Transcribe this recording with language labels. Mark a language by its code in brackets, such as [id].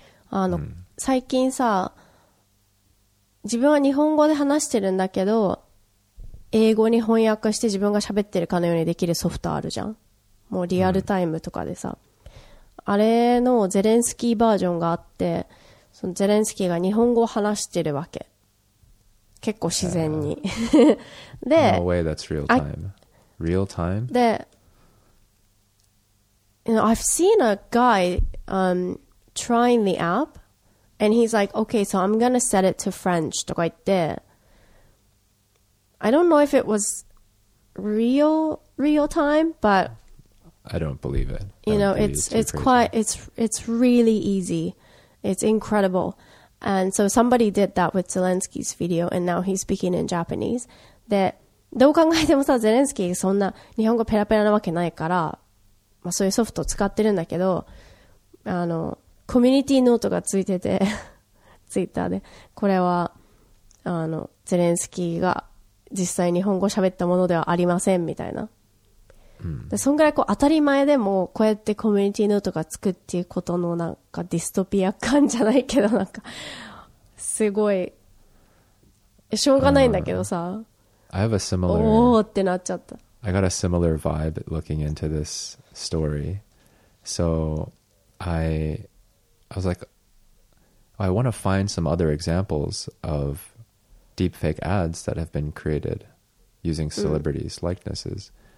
[ja] あの、最近さ、自分は日本語で話してるんだけど英語に翻訳して自分が喋ってるかのようにできるソフトあるじゃん、もうリアルタイムとかでさ、あれのゼレンスキーバージョンがあって、そのゼレンスキーが日本語を話してるわけ、結構自然に、で、 [en] No way, that's real time. Real time? で、You know, I've seen a guy trying the app and he's like, okay, so I'm going to set it to French. [ja] とか言って、 [en] I don't know if it was real time, but I don't believe it. You know, it's quite, it's really easy. It's incredible. And so somebody did that with Zelensky's video and now he's speaking in Japanese. [ja] で、どう考えてもさ、ゼレンスキーそんな日本語ペラペラなわけないから、まあ、そういうソフトを使ってるんだけど、あのコミュニティノートがついててツイッターで、これはあのゼレンスキーが実際日本語喋ったものではありませんみたいな、でそんぐらいこう当たり前でもこうやってコミュニティノートがつくっていうことのなんかディストピア感じゃないけど、なんかすごいしょうがないんだけどさ、 [en] I have a similar... [ja] おーってなっちゃった。 [en] I got a similar vibe looking into this story. So I was like, I want to find some other examples of deepfake ads that have been created using celebrities' likenesses.